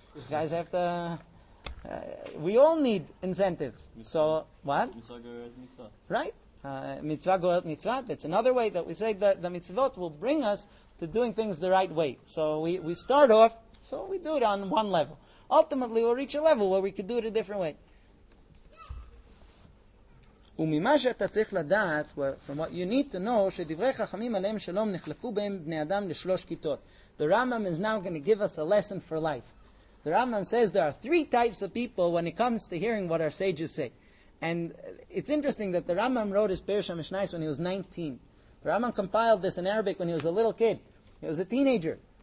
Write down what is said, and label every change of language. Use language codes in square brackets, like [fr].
[en] You guys have to... we all need incentives. Mitzvah. So, what? Mitzvah goes mitzvah. Right? Mitzvah goes mitzvah. That's another way that we say that the mitzvot will bring us to doing things the right way. So we start off, so we do it on one level. Ultimately, we'll reach a level where we could do it a different way. [he] וממה שאתה צריך לדעת, [en] from what you need to know, [he] שדברי חכמים עליהם שלום נחלקו בהם בני אדם לשלוש כיתות. [en] The Rambam is now going to give us a lesson for life. The Rambam says there are three types of people when it comes to hearing what our sages say. And it's interesting that the Rambam wrote his Perusha Mishnayos when he was 19. The Rambam compiled this in Arabic when he was a little kid. He was a teenager.